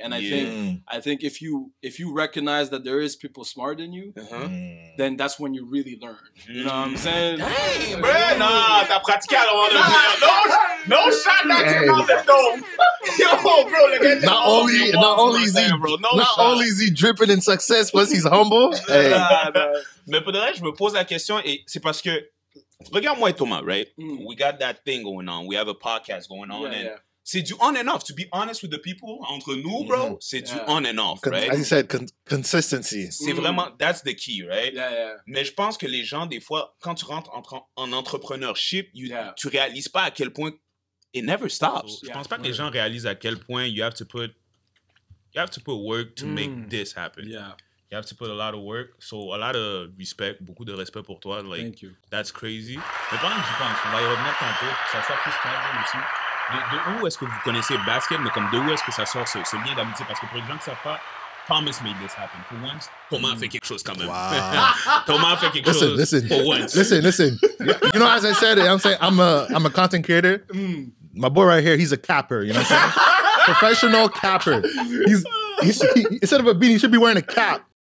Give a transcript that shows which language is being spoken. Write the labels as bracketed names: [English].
[English] And I think if you recognize that there is people smarter than you, then that's when you really learn. You know what I'm saying? Dang, bro. Nah, [French] t'as pratiqué à l'avant de [English] no shot that came out the dome. Yo, bro, not only is he dripping in success, but he's humble. Hey. [French] Mais pour de vrai, je me pose la question, et c'est parce que regarde-moi et Thomas, [English] right? Mm. We got that thing going on. We have a podcast going on. Yeah, and [French] c'est du [English] on and off. To be honest with the people, [French] entre nous, [English] bro, [French] c'est du [English] on and off, right? As you said, consistency. [French] C'est vraiment, [English] that's the key, right? Yeah, yeah. [French] Mais je pense que les gens, des fois, quand tu rentres en entrepreneurship, tu réalises pas à quel point [English] it never stops. [French] Yeah. Je pense pas que les gens réalisent à quel point [English] you have to put work to make this happen. Yeah. You have to put a lot of work, so a lot of respect, [French] beaucoup de respect pour toi. [English] Like, thank you. That's crazy. [French] Mais pendant que j'y pense, on va y revenir tantôt, ça sort plus tard aussi. De où est-ce que vous connaissez basket, mais comme de où est-ce que ça sort ce lien d'amitié? Parce que pour les gens qui savent pas, Thomas [English] made this happen. For once, [French] Thomas fait quelque chose quand même. [English] Wow. [French] Thomas fait quelque chose. [English] Listen, for once. Listen. You know, as I said, I'm a content creator. Mm. My boy right here, he's a capper, you know what I'm saying? Professional capper. He instead of a beanie, he should be wearing a cap.